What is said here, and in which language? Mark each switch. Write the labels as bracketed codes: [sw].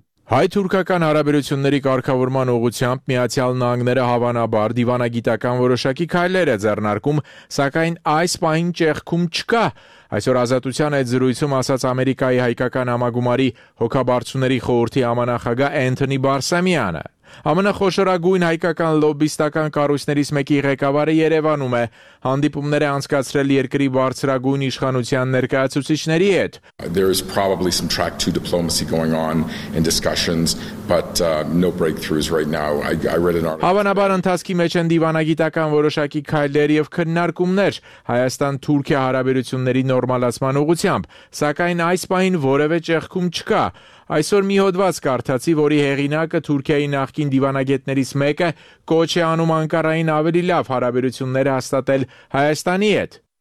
[hy] Հայ-թուրքական հարաբերությունների կարգավորման ուղղությամբ Միացյալ Նահանգները հավանաբար դիվանագիտական որոշակի քայլեր է ձեռնարկում, սակայն այս պահին ճեղքում չկա։ Այսօր ազատության այդ զրույցում ասաց Ամերիկայի Հայկական համագումարի հոգաբարձուների խորհրդի համանախագահ Էնթոնի Բարսամյանը։ ԱՄՆ խոշորագույն հայկական լոբիստական կառույցներից մեկի ղեկավարը Երևանում է, հանդիպումներ է անցկացրել երկրի բարձրագույն իշխանության ներկայացուցիչների հետ։ [en] There is probably some track 2 diplomacy going on in discussions, but no breakthroughs right now. I read an article. [hy] Հավանաբար ընթացքի մեջ են դիվանագիտական որոշակի քայլեր եւ քննարկումներ Հայաստան-Թուրքիա հարաբերությունների նորմալացման ուղղությամբ, սակայն այս պահին որևէ ճեղքում չկա։ Այսօր մի հոդված կարդացի, որի հեղինակը Թուրքիայի նախկին դիվանագետներից մեկը կոչ է անում Անկարային ավելի լավ հարաբերություններ հաստատել Հայաստանի հետ։